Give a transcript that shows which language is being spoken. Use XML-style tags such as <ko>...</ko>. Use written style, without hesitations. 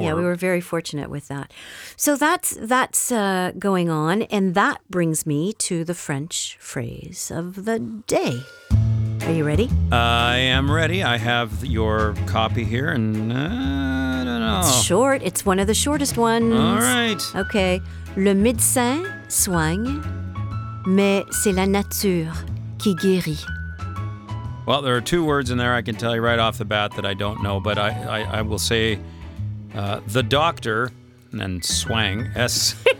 <en>we were very fortunate with that. So that's going on, and that brings me to the French phrase of the day. Are you ready? I am ready. I have your copy here, and I don't know. It's short. It's one of the shortest ones. All right.</en> <fr>Okay. Le médecin soigne. Mais c'est la nature qui guérit.</fr> <en>Well, there are two words in there I can tell you right off the bat that I don't know, but I will say the doctor, and then swang, S.</en>